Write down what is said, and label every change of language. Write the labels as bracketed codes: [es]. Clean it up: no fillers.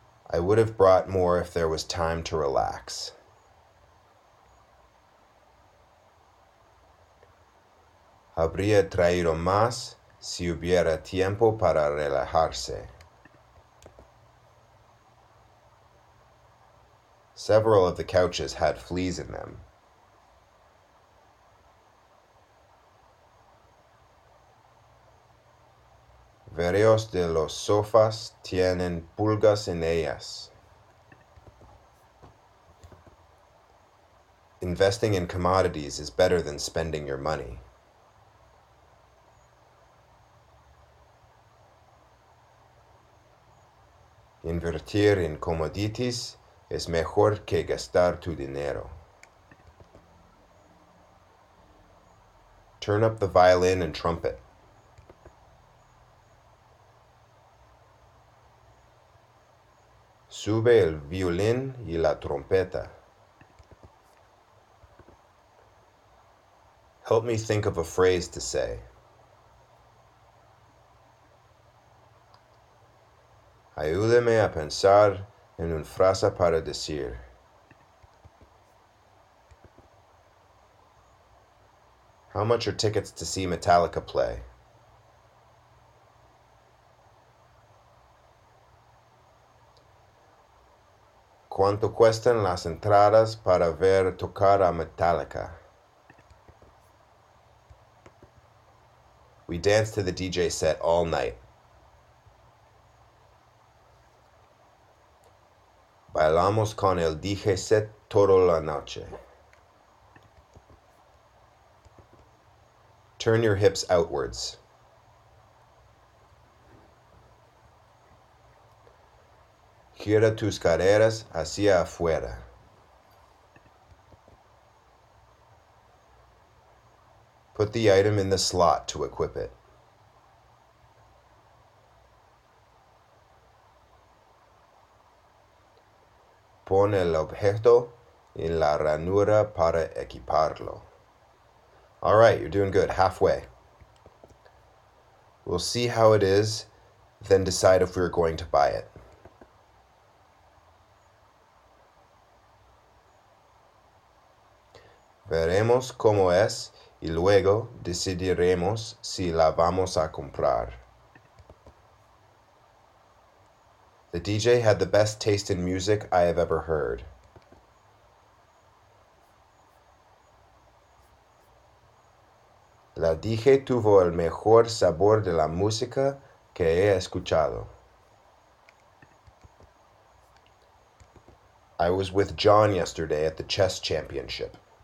[en] I would have brought more if there was time to relax. [es] Habría traído más si hubiera tiempo para relajarse. [en] Several of the couches had fleas in them. [es] Varios de los sofás tienen pulgas en ellas. [en] Investing in commodities is better than spending your money. [es] Invertir en commodities es mejor que gastar tu dinero. [en] Turn up the violin and trumpet. [es] Sube el violín y la trompeta. [en] Help me think of a phrase to say. [es] Ayúdame a pensar en una frase para decir. [en] How much are tickets to see Metallica play? [es] ¿Cuánto cuestan las entradas para ver tocar a Metallica? [en] We danced to the DJ set all night. [es] Bailamos con el DJ set toda la noche. [en] Turn your hips outwards. [es] Gira tus caderas hacia afuera. [en] Put the item in the slot to equip it. [es] Pon el objeto en la ranura para equiparlo. [en] All right, you're doing good. Halfway. We'll see how it is, then decide if we're going to buy it. [es] Veremos cómo es y luego decidiremos si la vamos a comprar. [en] The DJ had the best taste in music I have ever heard. [es] La DJ tuvo el mejor sabor de la música que he escuchado. [en] I was with John yesterday at the chess championship.